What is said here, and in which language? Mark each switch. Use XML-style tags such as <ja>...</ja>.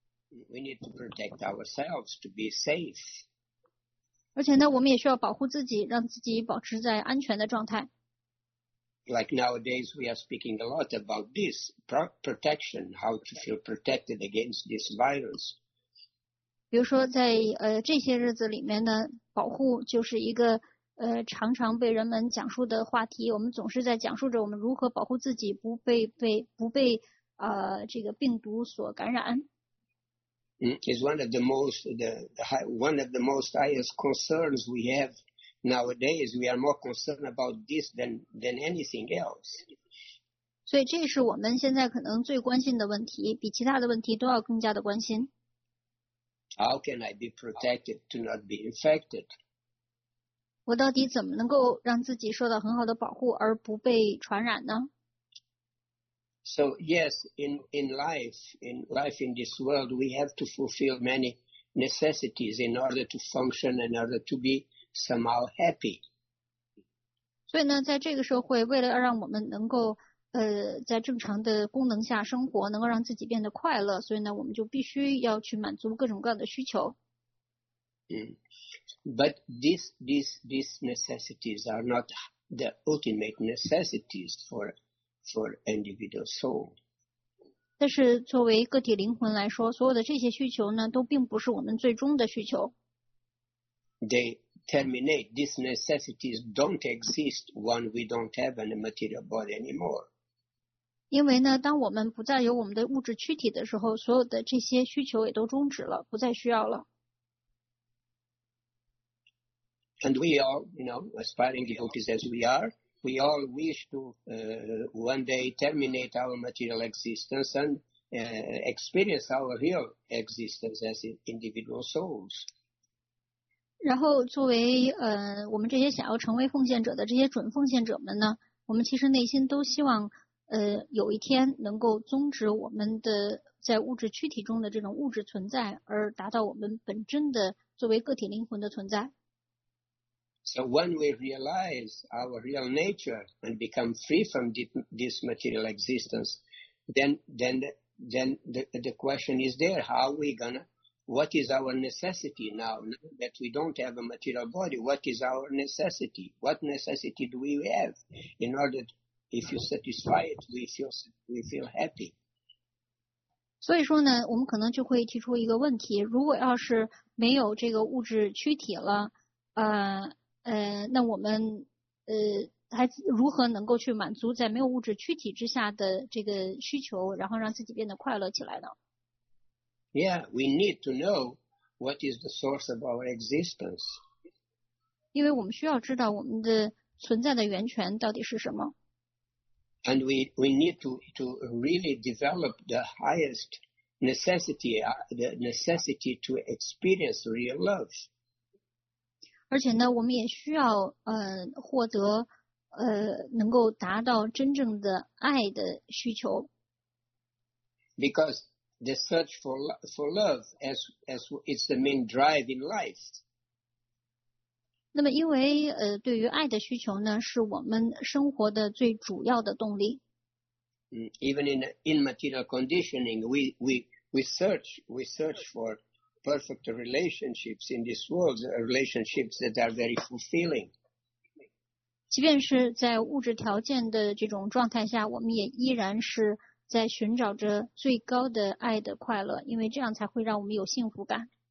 <en>We need to protect ourselves to be safe.</en> <zh>而且呢，我们也需要保护自己，让自己保持在安全的状态。</zh> <en>like nowadays we are speaking a lot about this protection, how to feel protected against this virus.</en> <zh>比如说在这些日子里面呢，保护就是一个常常被人们讲述的话题。我们总是在讲述着我们如何保护自己不被这个病毒所感染。</zh> <en>It's one of the most highest concerns we have nowadays. We are more concerned about this than anything else.</en> <zh>所以这是我们现在可能最关心的问题，比其他的问题都要更加的关心。</zh> <en>How can I be protected to not be infected?</en> <zh>我到底怎么能够让自己受到很好的保护而不被传染呢？</zh> <en>So yes, in life in this world, we have to fulfill many necessities in order to function, in order to be somehow happy.</en> <zh>所以呢，在这个社会，为了让我们能够在正常的功能下生活，能够让自己变得快乐，所以呢，我们就必须要去满足各种各样的需求。</zh> <en>But these necessities are not the ultimate necessities for individual soul.</en> <zh>但是作为个体灵魂来说，所有的这些需求呢，都并不是我们最终的需求。</zh> <en>They terminate. These necessities don't exist when we don't have a material body anymore.</en> <zh>因为呢，当我们不再有我们的物质躯体的时候，所有的这些需求也都终止了，不再需要了。</zh> <en>And we all, you know, aspiring devotees as we are, we all wish to one day terminate our material existence and experience our real existence as individual souls.</en> <zh>然后作为我们这些想要成为奉献者的这些准奉献者们呢，我们其实内心都希望有一天能够终止我们的在物质躯体中的这种物质存在，而达到我们本真的作为个体灵魂的存在。</zh> <en>So when we realize our real nature and become free from this material existence, then the question is there, what is our necessity now? Now that we don't have a material body, what is our necessity? What necessity do we have in order to,If you satisfy it, we feel happy.</en> <zh>所以说呢，我们可能就会提出一个问题：如果要是没有这个物质躯体了，那我们还如何能够去满足在没有物质躯体之下的这个需求，然后让自己变得快乐起来呢</zh> <en>？Yeah, we need to know what is the source of our existence.</en> <zh>因为我们需要知道我们的存在的源泉到底是什么。</zh> <en>And we need to really develop the highest necessity, the necessity to experience real love.</en> <zh>而且呢，我们也需要获得能够达到真正的爱的需求。</zh> <en>Because the search for love as it's the main drive in life.</en> <zh>那么因为对于爱的需求呢，是我们生活的最主要的动力。</zh> <en>Even in material conditioning, we search for perfect relationships in this world, relationships that are very fulfilling.</en> <zh>即便是在物质条件的这种状态下，我们也依然是在寻找着最高的爱的快乐，因为这样才会让我们有幸福感。</zh>